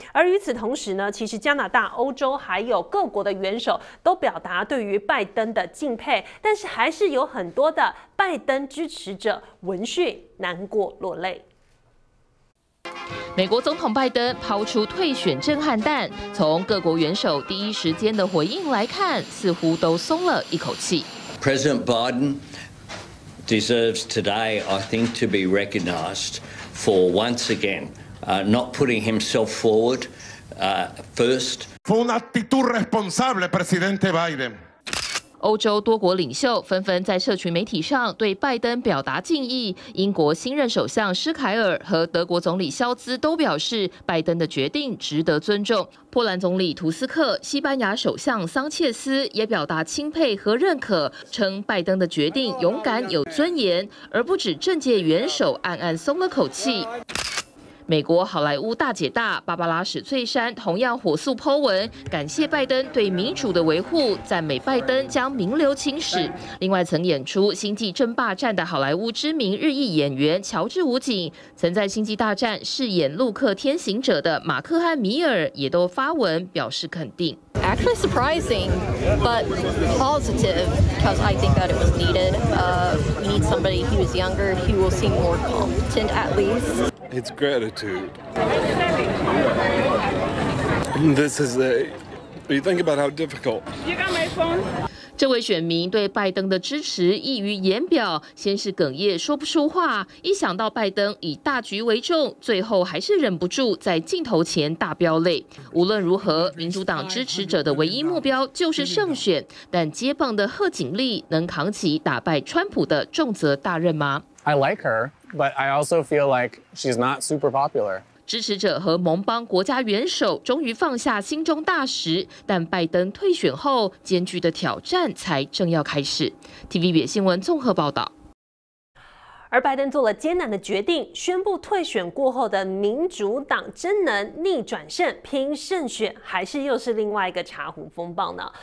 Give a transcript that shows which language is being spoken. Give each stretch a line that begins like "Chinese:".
Chinese: 而与此同时呢，其实加拿大、欧洲还有各国的元首都表达对于拜登的敬佩，但是还是有很多的拜登支持者闻讯难过落泪。美国总统拜登抛出退选震撼弹，从各国元首第一时间的回应来看，似乎都松了一口气。
English: President Biden deserves today, I think, to be recognized for once again, not putting himself forward, first.
Spanish: Fue una actitud responsable, Presidente Biden.
Chinese: 欧洲多国领袖纷纷在社群媒体上对拜登表达敬意，英国新任首相施凯尔和德国总理肖兹都表示拜登的决定值得尊重，波兰总理图斯克、西班牙首相桑切斯也表达钦佩和认可，称拜登的决定勇敢有尊严，而不止政界元首暗暗松了口气。美国好莱坞大姐大芭芭拉史翠珊同样火速po文，感谢拜登对民主的维护，赞美拜登将名留青史。另外，曾演出《星际争霸战》的好莱坞知名日裔演员乔治武警，曾在《星际大战》饰演陆克天行者的马克汉米尔也都发文表示肯定。
English: Actually surprising, but positive because I think that it was needed. We need somebody who is younger, who will seem more competent at least. It's gratitude. This is a. You think about how difficult. You got my phone.
Chinese: 这位选民对拜登的支持溢于言表，先是哽咽说不出话，一想到拜登以大局为重，最后还是忍不住在镜头前大飙泪。无论如何，民主党支持者的唯一目标就是胜选，但接棒的贺锦丽能扛起打败川普的重责大任吗
English: ？I like her, but I also feel like she's not super popular.
Chinese: 支持者和盟邦国家元首终于放下心中大石，但拜登退选后，艰巨的挑战才正要开始。 TVBS 新闻综合报道。而拜登做了艰难的决定，宣布退选过后的民主党真能逆转胜拼胜选，还是又是另外一个茶壶风暴呢？